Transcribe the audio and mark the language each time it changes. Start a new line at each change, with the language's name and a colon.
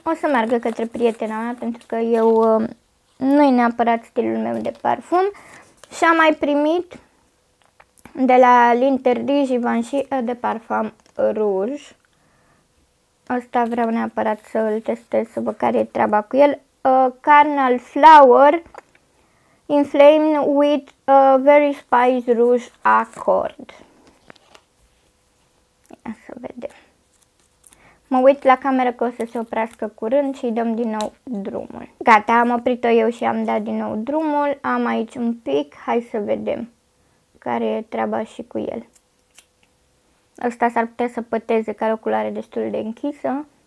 Romanian: O să meargă către prietena mea pentru că eu nu-i neapărat stilul meu de parfum. Și am mai primit de la L'Interdit Givenchy de Parfum Rouge. Ăsta vreau neapărat să-l testez, să văd care e treaba cu el. Carnal Flower
English: in flame with a very spice rouge accord.
Romanian: Ia să vedem. Mă uit la cameră că o să se oprească curând și îi dăm din nou drumul. Gata, am oprit-o eu și am dat din nou drumul. Am aici un pic, hai să vedem care e treaba și cu el. Ăsta s-ar putea să păteze, care o culoare destul de închisă.